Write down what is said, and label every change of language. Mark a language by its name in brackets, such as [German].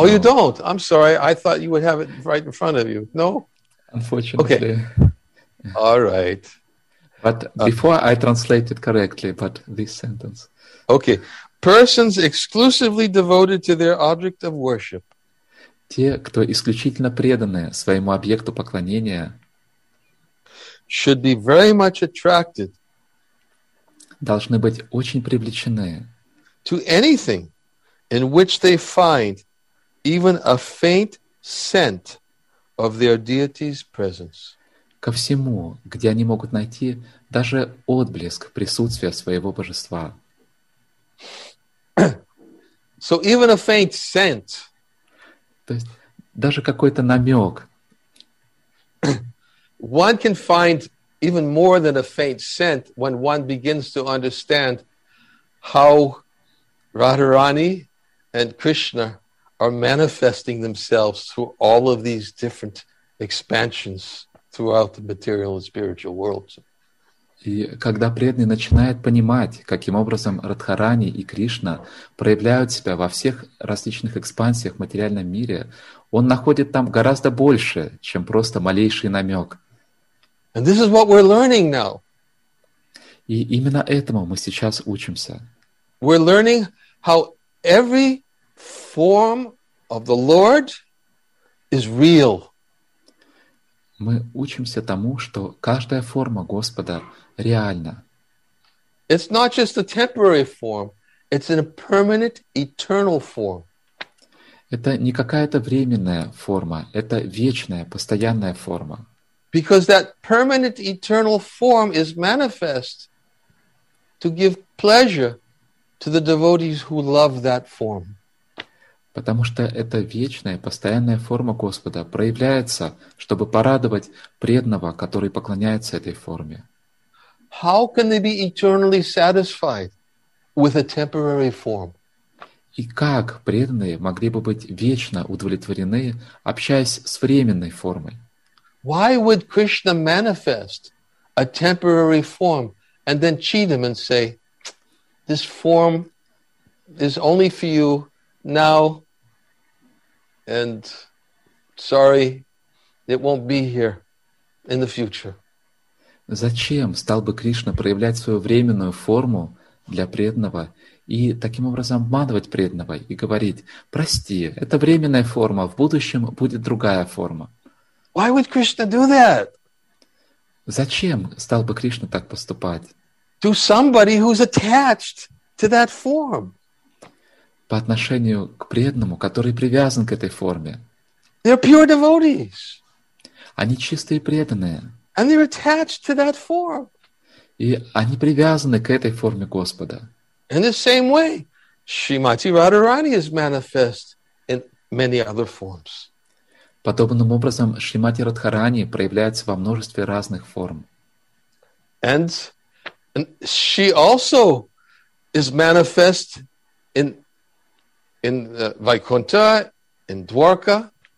[English] now. Oh, you don't? I'm sorry. I thought you would have it right in front of you. No? Unfortunately. Okay. All right. But before I translate it correctly, but this sentence. Okay. Persons exclusively devoted to their object of worship. [Russian] Те, кто исключительно преданы своему объекту поклонения. [English] Should be very much attracted. [Russian] Должны быть очень привлечены. [English] To anything in which they find even a faint scent of their deity's presence. [Russian] Ко всему, где они могут найти даже отблеск присутствия своего божества. [English] So even a faint scent. [Russian] То есть даже какой-то намек. [English] One can find even more than a faint scent when one begins to understand how Radharani and Krishna are manifesting themselves through all of these different expansions throughout the material and spiritual worlds. [Russian] И когда преданный начинает понимать, каким образом Радхарани и Кришна проявляют себя во всех различных экспансиях в материальном мире, он находит там гораздо больше, чем просто малейший намек. [English] And this is what we're learning now. [Russian] И именно этому мы сейчас учимся. [English] We're learning how every form of the Lord is real. [Russian] Мы учимся тому, что каждая форма Господа реальна. [English] It's not just a temporary form, it's a permanent, eternal form. [Russian] Это не какая-то временная форма, это вечная, постоянная форма. [English] Because that permanent, eternal form is manifest to give pleasure to the devotees who love that form. [Russian] Потому что эта вечная, постоянная форма Господа проявляется, чтобы порадовать преданного, который поклоняется этой форме. [English] How can they be eternally satisfied with a temporary form? [Russian] И как преданные могли бы быть вечно удовлетворены, общаясь с временной формой? [English] Why would Krishna manifest a temporary form and then cheat him and say, this form is only for you now, and sorry, it won't be here in the future? [Russian] Зачем стал бы Кришна проявлять свою временную форму для преданного и таким образом обманывать преданного и говорить: прости, это временная форма, в будущем будет другая форма? [English] Why would Krishna do that? [Russian] Зачем стал бы Кришна так поступать? [English] To somebody who's attached to that form. [Russian] По отношению к преданному, который привязан к этой форме. [English] They're pure devotees. [Russian] Они чистые преданные. [English] And they're attached to that form. [Russian] И они привязаны к этой форме Господа. [English] In the same way, Shrimati Radharani is manifest in many other forms. [Russian] Подобным образом Шримати Радхарани проявляется во множестве разных форм. [English] And she also is manifest in Vaikuntha, in Dwarka.